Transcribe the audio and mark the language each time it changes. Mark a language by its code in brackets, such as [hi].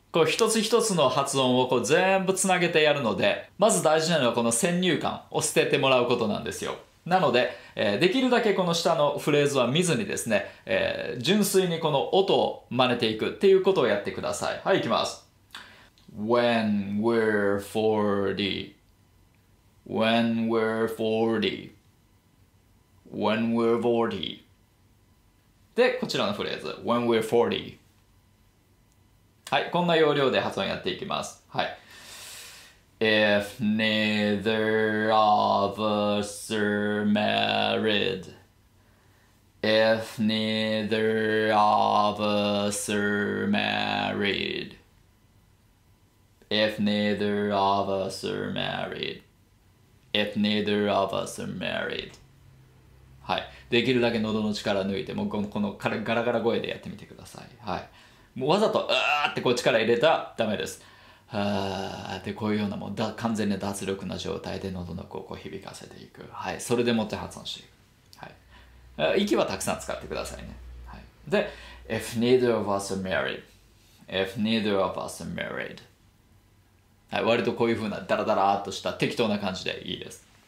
[ja] こう一つ一つの発音をこう全部つなげてやるので、まず大事なのはこの先入観を捨ててもらうことなんですよ。なので、できるだけこの下のフレーズは見ずにですね、純粋にこの音を真似ていくっていうことをやってください。はい、いきます。 [en] When we're 40 When we're 40When we're 40. [ja] で、こちらのフレーズ [en] When we're 40. [ja] はい、こんな要領で発音やっていきます。 [en] はい、 If neither of us are married If neither of us are married If neither of us are married If neither of us are married [ja] はい、できるだけ喉の力抜いて、もうこのガラガラ声でやってみてください。はい、もうわざと、うーってこう力入れたらダメです。はーってこういうようなもう完全に脱力な状態で喉の声を響かせていく。はい、それでもって発音していく。はい、息はたくさん使ってくださいね。はい、で、 [en] If neither of us are married, [ja] If neither of us are married、はい、割とこういうふうなダラダラーとした適当な感じでいいです。